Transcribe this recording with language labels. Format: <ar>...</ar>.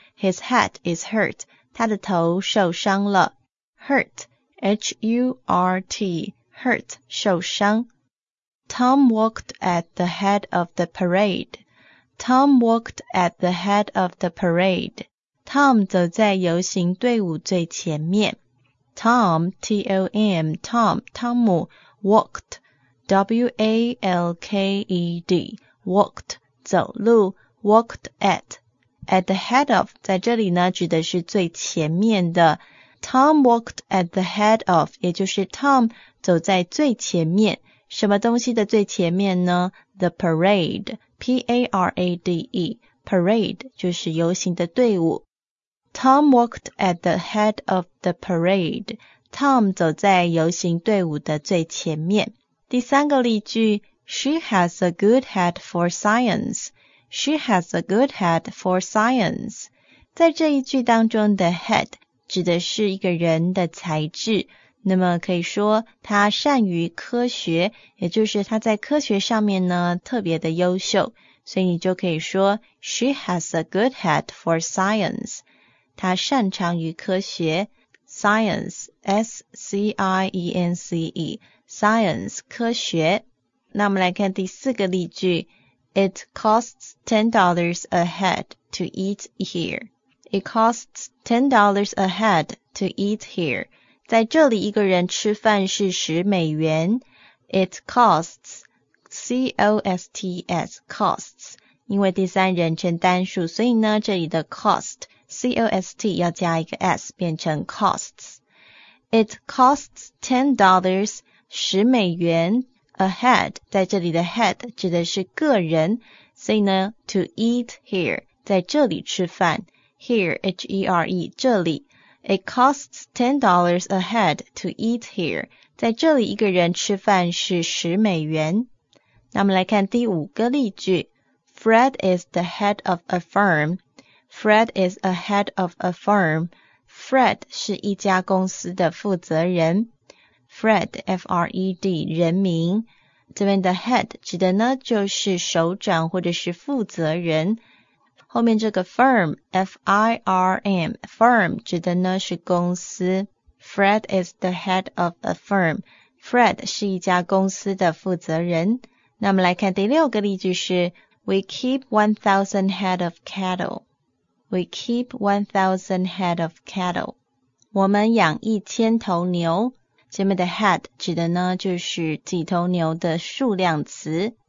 <en>His head is hurt.</en> <zh>他的头受伤了。</zh> <en>Hurt, H-U-R-T, hurt,</en> <zh>受伤。</zh> <en>Tom walked at the head of the parade. Tom walked at the head of the parade.</en> <zh>Tom 走在游行队伍最前面。</zh> <en>Tom, T-O-M, Tom, 汤姆 walked, W-A-L-K-E-D, walked,</en> <zh>走路</zh> <en>walked at. At the head of,</en> <zh>在这里呢指的是最前面的。</zh> <en>Tom walked at the head of,</en> <zh>也就是</zh> <en>Tom</en> <zh>走在最前面。什么东西的最前面呢？</zh> <en>The parade, P-A-R-A-D-E, parade,</en> <zh>就是游行的队伍。</zh> <en>Tom walked at the head of the parade, Tom</en> <zh>走在游行队伍的最前面。第三个例句，</zh> <en>She has a good head for science. She has a good head for science.</en> <zh>在这一句当中的 head 指的是一个人的才智，那么可以说他善于科学，也就是他在科学上面呢特别的优秀，所以你就可以说</zh> <en>She has a good head for science.</en> <zh>他擅长于科学</zh> <en>science, S-C-I-E-N-C-E, science,</en> <zh>科学。那我们来看第四个例句，</zh> <en>It costs $10 a head to eat here. It costs $10 a head to eat here.</en> <zh>在这里一个人吃饭是$10.</zh> <en>It costs, C-O-S-T-S, costs.</en> <zh>因为第三人称单数，所以呢这里的 cost, C-O-S-T 要加一个 S 变成 costs.</zh> <en>It costs $10, $10. A head,</en> <zh>在这里的</zh> <en>head</en> <zh>指的是个人，所以呢</zh> <en>to eat here,</en> <zh>在这里吃饭</zh> <en>here, H-E-R-E,</en> <zh>这里</zh> <en>It costs $10 a head to eat here,</en> <zh>在这里一个人吃饭是$10。那我们来看第五个例句，</zh> <en>Fred is the head of a firm, Fred is a head of a firm, Fred</en> <zh>是一家公司的负责人。</zh> <en>Fred, F-R-E-D, 人名。</en> <zh>这边的 head 指的呢就是首长或者是负责人。后面这个 firm, F-I-R-M, firm 指的呢是公司。</zh> <en>Fred is the head of a firm.</en> <zh>Fred 是一家公司的负责人。那我们来看第六个例句是</zh> <en>We keep 1,000 head of cattle. We keep 1,000 head of cattle.</en> <zh>我们养1,000头牛。前面的 head 指的呢就是几头牛的数量词。</zh>